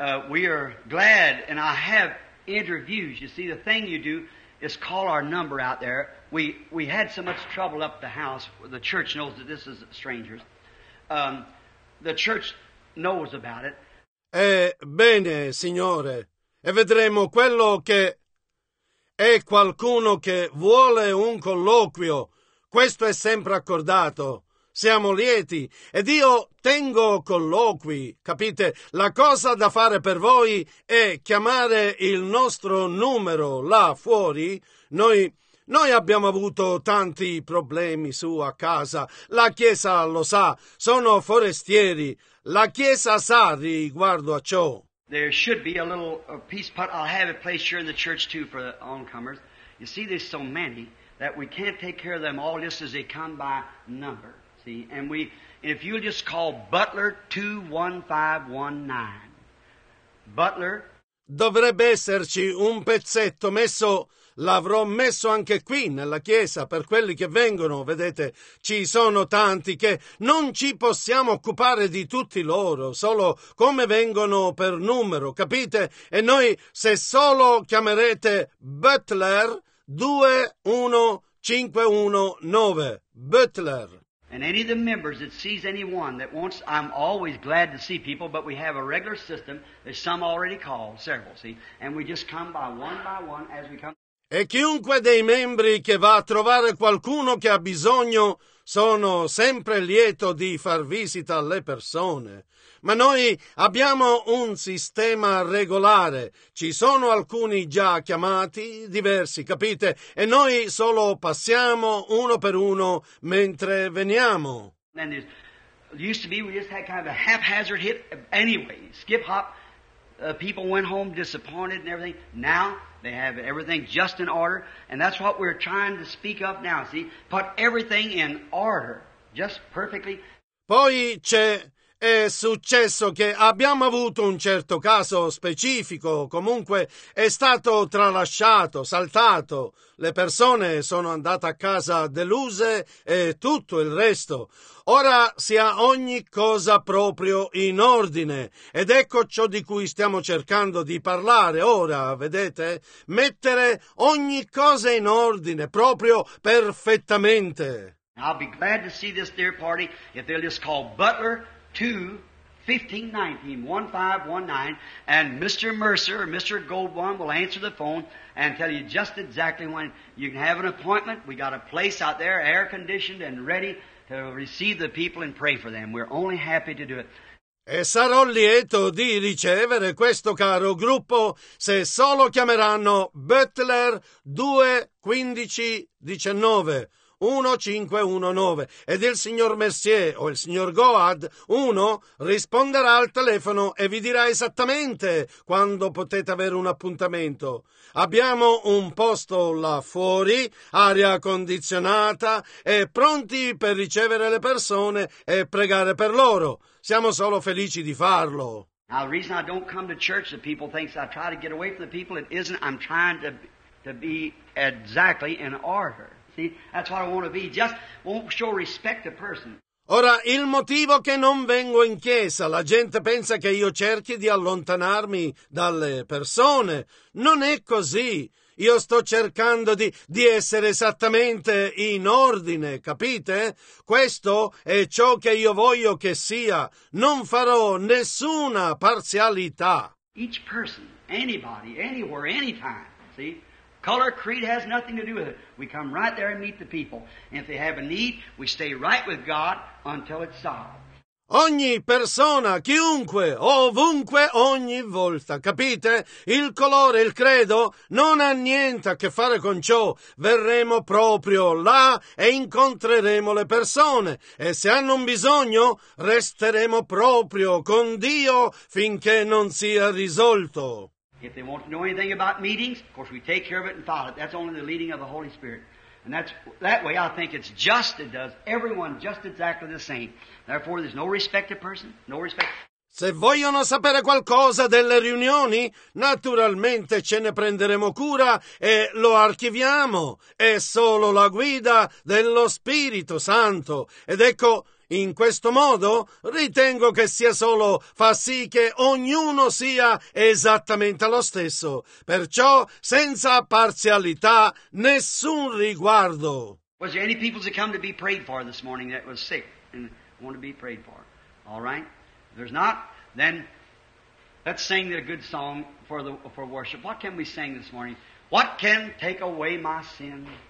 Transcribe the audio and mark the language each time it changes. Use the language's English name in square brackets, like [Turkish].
[English] We are glad, and I have interviews. You see, the thing you do is call our number out there. We had so much trouble up the house. The church knows that this is strangers. The church knows about it. [Italian] Bene, signore. E vedremo quello che è qualcuno che vuole un colloquio. Questo è sempre accordato. Siamo lieti ed io tengo colloqui, capite? La cosa da fare per voi è chiamare il nostro numero là fuori. Noi abbiamo avuto tanti problemi su a casa. La Chiesa lo sa, sono forestieri. La Chiesa sa riguardo a ciò. [English] There should be a little peace, but I'll have it placed here in the church too for the oncomers. You see, there's so many that we can't take care of them all just as they come by number. And we, if you just call Butler 21519, Butler. [Italian] Dovrebbe esserci un pezzetto messo, l'avrò messo anche qui nella chiesa per quelli che vengono, vedete, ci sono tanti che non ci possiamo occupare di tutti loro, solo come vengono per numero, capite? E noi, se solo chiamerete Butler 21519, Butler. [English] And any of the members that sees anyone that wants, I'm always glad to see people, but we have a regular system. There's some already called, several, see? And we just come by one as we come. [Italian] E chiunque dei membri che va a trovare qualcuno che ha bisogno, sono sempre lieto di far visita alle persone. Ma noi abbiamo un sistema regolare. Ci sono alcuni già chiamati, diversi, capite? E noi solo passiamo uno per uno mentre veniamo. [English] And it used to be we just had kind of a haphazard hit anyway. Skip hop, people went home disappointed and everything. Now they have everything just in order, and that's what we're trying to speak of now, see? Put everything in order, just perfectly. [Italian] Poi c'è, è successo che abbiamo avuto un certo caso specifico, comunque è stato tralasciato, saltato, le persone sono andate a casa deluse e tutto il resto. Ora sia ogni cosa proprio in ordine ed ecco ciò di cui stiamo cercando di parlare ora, vedete? Mettere ogni cosa in ordine, proprio perfettamente. [English] I'll be glad to see this dear party if they'll just call Butler 21519, and Mr. Mercer or Mr. Goldblum will answer the phone and tell you just exactly when you can have an appointment. We got a place out there, air conditioned and ready to receive the people and pray for them. We're only happy to do it. [Italian] E sarò lieto di ricevere questo caro gruppo se solo chiameranno Butler 21519. 1519 ed il signor Mercier o il signor Goad 1 risponderà al telefono e vi dirà esattamente quando potete avere un appuntamento. Abbiamo un posto là fuori, aria condizionata e pronti per ricevere le persone e pregare per loro. Siamo solo felici di farlo. [English] Now, the reason I don't come to church, the people think I try to get away from the people, it isn't, I'm trying to be exactly in order. That's what I want to be. Just won't show respect to person. [Italian] Ora, il motivo che non vengo in chiesa, la gente pensa che io cerchi di allontanarmi dalle persone. Non è così. Io sto cercando di essere esattamente in ordine, capite? Questo è ciò che io voglio che sia. Non farò nessuna parzialità. [English] Each person, anybody, anywhere, anytime, see? Color, creed has nothing to do with it. We come right there and meet the people. And if they have a need, we stay right with God until it's solved. [Italian] Ogni persona, chiunque, ovunque, ogni volta, capite? Il colore, il credo, non ha niente a che fare con ciò. Verremo proprio là e incontreremo le persone. E se hanno un bisogno, resteremo proprio con Dio finché non sia risolto. [English] If they want to know anything about meetings, of course we take care of it and follow it. That's only the leading of the Holy Spirit. And that way I think it's just, it does everyone just exactly the same. Therefore there's no respect of person, no respect. [Italian] Se vogliono sapere qualcosa delle riunioni, naturalmente ce ne prenderemo cura e lo archiviamo. È solo la guida dello Spirito Santo. Ed ecco, in questo modo ritengo che sia solo fa sì che ognuno sia esattamente lo stesso. Perciò, senza parzialità, nessun riguardo. [English] Was there any people that come to be prayed for this morning that was sick and want to be prayed for? All right? If there's not, then let's sing a good song for worship. What can we sing this morning? What can take away my sin?